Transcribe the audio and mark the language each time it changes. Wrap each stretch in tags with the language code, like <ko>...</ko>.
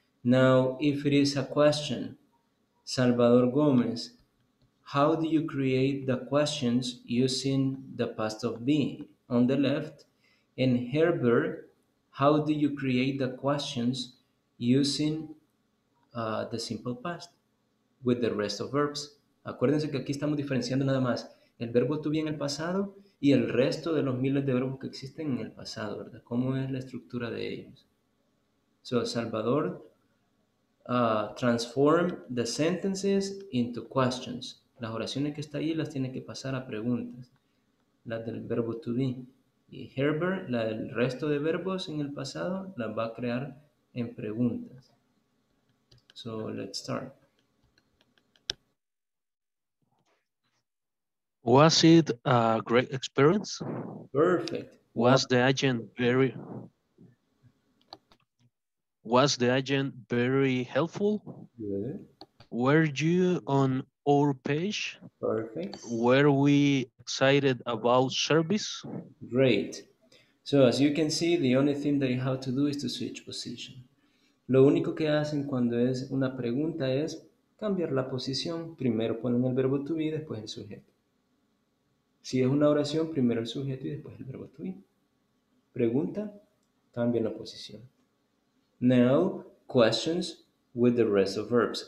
<en>Now, if it is a question, Salvador Gomez, how do you create the questions using the past of be on the left? And Herbert, how do you create the questions using the simple past with the rest of verbs.</en> <es>Acuérdense que aquí estamos diferenciando nada más el verbo to be en el pasado y el resto de los miles de verbos que existen en el pasado, ¿verdad? ¿Cómo es la estructura de ellos?</es> <en>So, Salvador, transform the sentences into questions.</en> <es>Las oraciones que está ahí las tiene que pasar a preguntas. Las del verbo to be. Y Herbert, la del resto de verbos en el pasado, las va a crear en preguntas.</es> <en>So, let's start. Was it a great experience? Perfect. Was the agent very helpful? Good. Were you on our page? Perfect. Were we excited about service? Great. So as you can see, the only thing that you have to do is to switch position.</en> <es>Lo único que hacen cuando es una pregunta es cambiar la posición. Primero ponen el verbo to be, después el sujeto. Si es una oración, primero el sujeto y después el verbo to be. Pregunta, cambia la posición.</es> <en>Now, questions with the rest of verbs.</en>